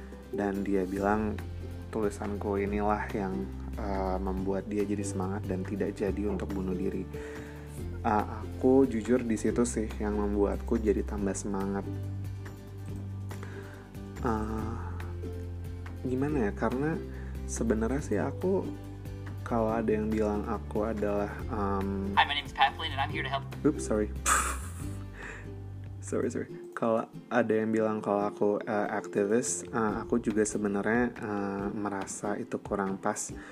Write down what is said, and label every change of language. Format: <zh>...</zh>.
<id>dan dia bilang tulisanku inilah yang membuat dia jadi semangat dan tidak jadi untuk bunuh diri. Aku jujur di situ sih yang membuatku jadi tambah semangat. Gimana ya? Karena sebenarnya sih aku kalau ada yang bilang aku adalah</id> <en>Hi, my name is Pathlin and I'm here to help. Oops, sorry. sorry.</en> <id>Kalau ada yang bilang kalau aku aktivis, aku juga sebenarnya merasa itu kurang pas.</id>